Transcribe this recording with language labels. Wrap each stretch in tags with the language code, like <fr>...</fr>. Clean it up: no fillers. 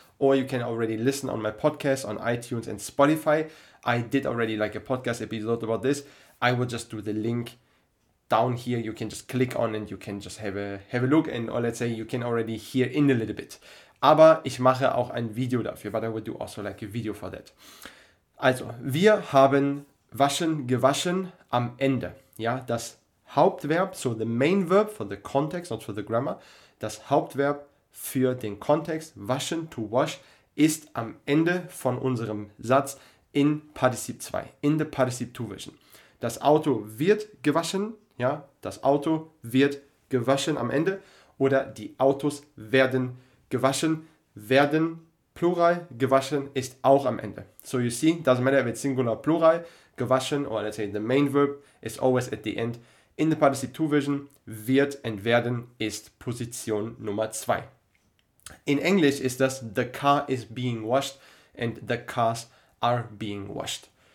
<en>Or you can already listen on my podcast on iTunes and Spotify. I did already like a podcast episode about this. I will just do the link down here. You can just click on and you can just have a look. And or let's say you can already hear in a little bit.</en> <de>Aber ich mache auch ein Video dafür.</de> <en>But I will do also like a video for that.</en> <de>Also, wir haben waschen, gewaschen am Ende. Ja, das Hauptverb,</de> <en>so the main verb for the context, not for the grammar,</en> <de>das Hauptverb für den Kontext, waschen,</de> <en>to wash,</en> <de>ist am Ende von unserem Satz in Partizip 2,</de> <en>in the Partizip 2 version.</en> <de>Das Auto wird gewaschen, ja, das Auto wird gewaschen am Ende, oder die Autos werden gewaschen, werden Plural, gewaschen ist auch am Ende.</de> <en>So you see, doesn't matter if it's singular or plural, gewaschen, or let's say the main verb is always at the end. In the Partizip 2 version,</en> <de>wird and werden ist Position Nummer 2.</de> <en>In English</en> <de>ist das,</de> <en>the car is being washed and the cars are being washed.</en>